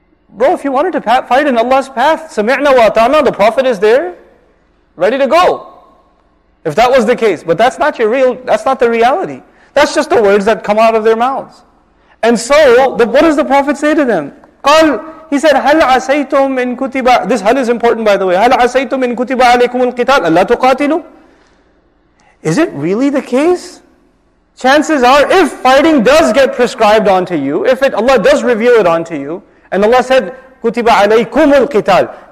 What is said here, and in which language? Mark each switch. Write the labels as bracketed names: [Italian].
[English] Bro, if you wanted to fight in Allah's path, [Arabic] sami'na wa ata'na, [English] the Prophet is there, ready to go. If that was the case. But that's not that's not the reality. That's just the words that come out of their mouths. And so, what does the Prophet say to them? [Arabic] قال, [English] he said, [Arabic] هَلْ عَسَيْتُمْ إِن كُتِبَ. [English] This hal is important, by the way. [Arabic] هَلْ عَسَيْتُمْ إِن كُتِبَ عَلَيْكُمُ الْقِتَالِ أَلَّا تُقَاتِلُ. [English] Is it really the case? Chances are, if fighting does get prescribed onto you, Allah does reveal it onto you, and Allah said, [Arabic] "Kutiba alaykum al-qital."